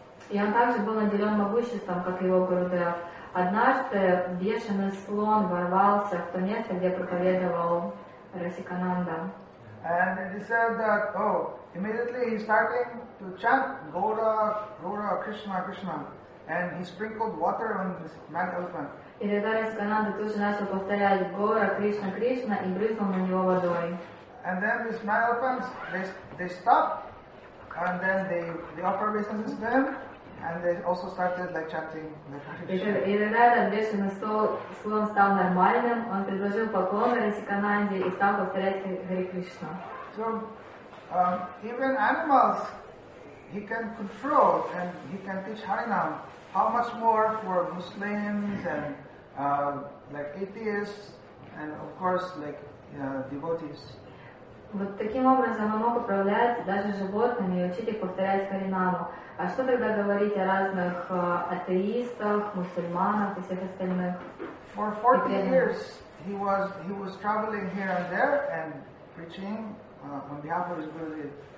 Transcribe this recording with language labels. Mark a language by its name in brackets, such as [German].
[Russian] И он также был наделен могуществом, как его Гурудев. Однажды бешеный слон ворвался в то место, где проповедовал Расикананда. [English] And he said that, oh, immediately he started to chant Gaura, Gaura, Krishna, Krishna. And he sprinkled water on this mad elephant. [Russian] И тогда Расикананда тут же начал повторять Гора, Кришна, Кришна и брызнул на него водой. [English] And then these mad elephants, they stopped, and then they offered obeisances to him, and they also started like chanting. [Russian] И тогда этот бешеный слон стал нормальным, он предложил поклоны Расикананде и стал повторять Гори Кришна. [English] So even animals he can control and he can teach Harinam. How much more for Muslims and like atheists and of course like devotees. [Russian] Вот таким образом он мог управлять даже животными и учить их повторять харинаму. А что тогда говорить о разных атеистах, мусульманах и всех остальных? [English] For 40 years he was traveling here and there and preaching on behalf of his religion.